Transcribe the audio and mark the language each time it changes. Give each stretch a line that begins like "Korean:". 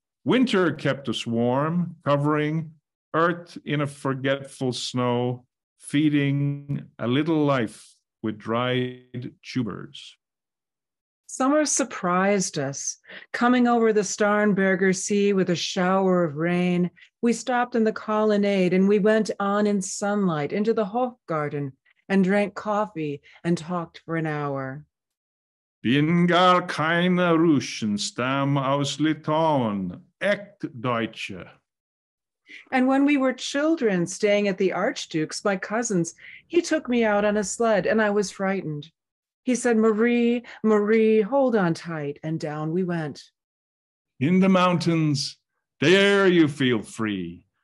English: Winter kept us warm, covering earth in a forgetful snow, feeding a little life with dried tubers. Summer surprised us. Coming over the Starnberger Sea with a shower of rain, we stopped in the colonnade and we went on in sunlight into the Hofgarten and drank coffee and talked for an hour.
German: Bin gar keine Russin, stamm aus Litauen, echt Deutsche.
English: And when we were children staying at the Archduke's, my cousin's, he took me out on a sled and I was frightened. He said, Marie, Marie, hold on tight. And down we went. In the mountains, there you feel free.